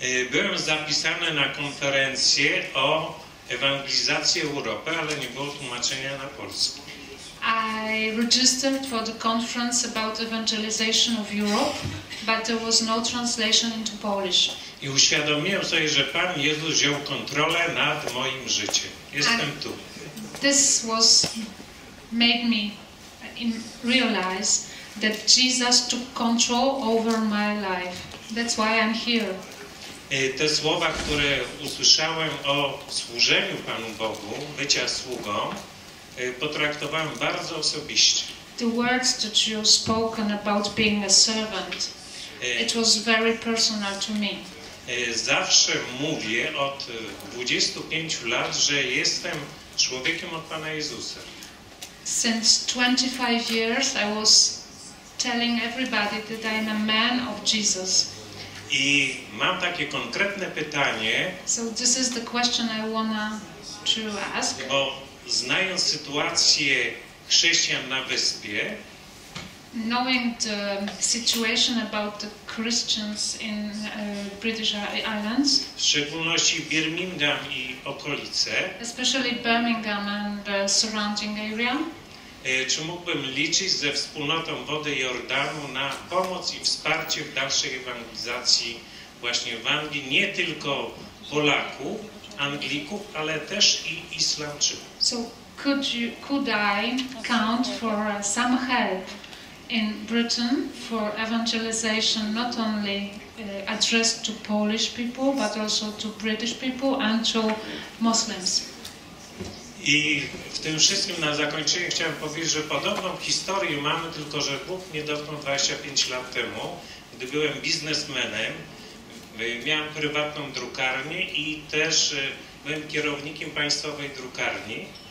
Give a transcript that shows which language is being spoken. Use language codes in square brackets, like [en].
[pl] Byłem zapisany na konferencję o ewangelizacji Europy, ale nie było tłumaczenia na polski. [en] I registered for the conference about evangelization of Europe, but there was no translation into Polish. [pl] I uświadomiłem sobie, że Pan Jezus wziął kontrolę nad moim życiem. Jestem tu. [en] This was made me in realize that Jesus took control over my life. That's why I'm here. [pl] Te słowa, które usłyszałem o służeniu Panu Bogu, bycia sługą, potraktowałem bardzo osobiście. [en] The words that you spoken about being a servant, it was very personal to me. [pl] Zawsze mówię od 25 lat, że jestem człowiekiem od Pana Jezusa. [en] Since 25 years I was telling everybody that I am a man of Jesus. [pl] I mam takie konkretne pytanie. [en] So this is the question I wanna to ask. [pl] Bo znając sytuację chrześcijan na wyspie, [en] knowing the situation about the Christians in British Islands, [pl] w szczególności Birmingham i okolice, [en] especially Birmingham and the surrounding area, [pl] czy mógłbym liczyć ze wspólnotą Wody Jordanu na pomoc i wsparcie w dalszej ewangelizacji właśnie w Anglii, nie tylko Polaków, Anglików, ale też i Islamczyków? [en] So could I count for some help in Britain for evangelization not only addressed to Polish people, but also to British people and to Muslims? [pl] I w tym wszystkim na zakończenie chciałem powiedzieć, że podobną historię mamy, tylko że Bóg mnie dotknął 25 lat temu, gdy byłem biznesmenem, miałem prywatną drukarnię i też byłem kierownikiem państwowej drukarni.